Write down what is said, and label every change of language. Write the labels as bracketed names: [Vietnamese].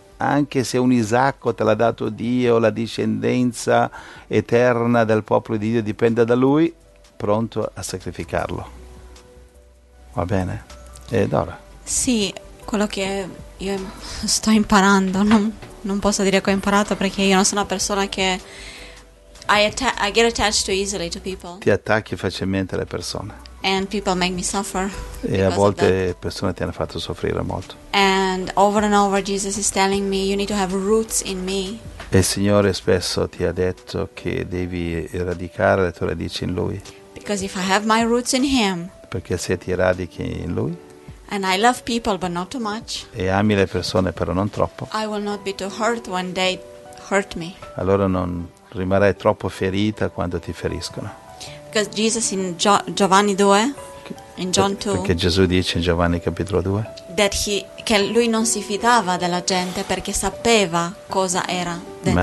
[Italian] Anche se un Isacco te l'ha dato Dio, la discendenza eterna del popolo di Dio dipende da lui, pronto a sacrificarlo. Va bene? E Dora? Sì, quello che io sto imparando, non posso dire che ho imparato, perché io non sono una persona che... [English] I get attached too easily to people. [Italian] Ti attacchi facilmente alle persone. [English] And people make me suffer. [Italian] E a volte persone ti hanno fatto soffrire molto. [English] And over Jesus is telling me you need to have roots in me. [Italian] E il Signore spesso ti ha detto che devi radicare le tue radici in Lui. [English] Because if I have my roots in Him. [Italian] Perché se ti radichi in Lui. [English] And I love people but not too much. [Italian] E ami le persone però non troppo. [English] I will not be too hurt when they hurt me. [Italian] Allora non rimarrai troppo ferita quando ti feriscono. [English] Because Jesus in Giovanni 2, in John 2, [Italian] perché Gesù dice in Giovanni capitolo 2 che lui non si fidava della gente perché sapeva cosa era dentro.